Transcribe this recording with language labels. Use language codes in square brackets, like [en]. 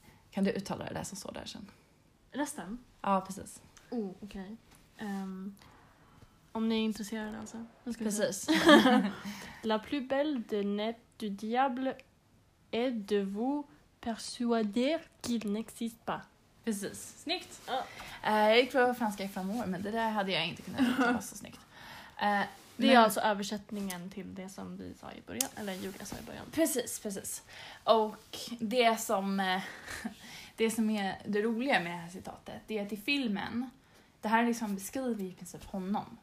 [sv] kan du uttala det där som står där sen? Resten? Ja, precis. Oh, okej. Om ni är intresserade alltså. Precis. [fr] La plus belle de nez du diable est de vous persuader qu'il n'existe pas. [sv] Precis, snyggt. Ja. Jag gick på franska i fem år, men det där hade jag inte kunnat göra så snyggt. Det är alltså översättningen till det som vi sa i början, eller Julia sa i början. Precis, precis. Och det som är det roliga med det här citatet, det är att i filmen, det här liksom beskriver i princip honom.